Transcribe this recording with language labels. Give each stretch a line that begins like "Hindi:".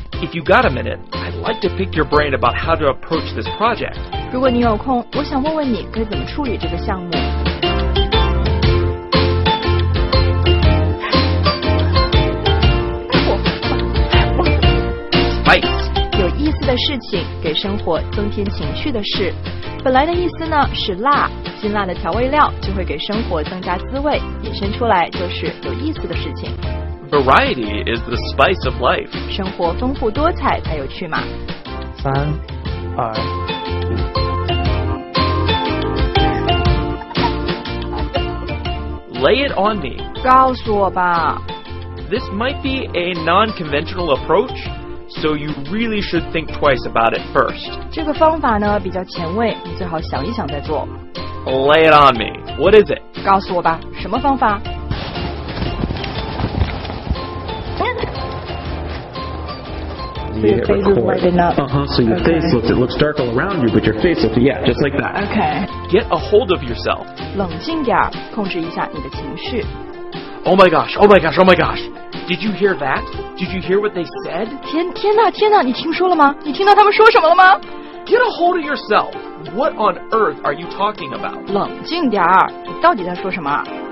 English: If you got a minute, I'd like to pick your brain about how to approach this project.
Chinese: 如果你有空，我想问问你该怎么处理这个项目。有意思的事情，给生活增添情趣的事。本来的意思呢是辣，辛辣的调味料就会给生活增加滋味，引申出来就是有意思的事情。
English: Variety is the spice of life.
Chinese: 生活丰富多彩才有趣嘛。三、二、一。
English: Lay it on me.
Chinese: 告诉我吧。
English: This might be a non-conventional approach. So you really should think twice about it first.
Chinese: 这个方法呢比较前卫，你最好想一想再做。
English: Lay it on me. What is it?
Chinese: 告诉我吧，什么方法？
English: So your face looks, it looks dark all around you, but your face looks, yeah, just like that. Okay. Get a hold of yourself.
Chinese: 冷静点，控制一下你的情绪。
English: Oh my gosh, oh my gosh, oh my gosh. Did you hear that? Did you hear what they said?
Chinese: 天哪，你听说了吗？你听到他们说什么了吗？
English: Get a hold of yourself. What on earth are you talking about?
Chinese: 冷静点儿，你到底在说什么？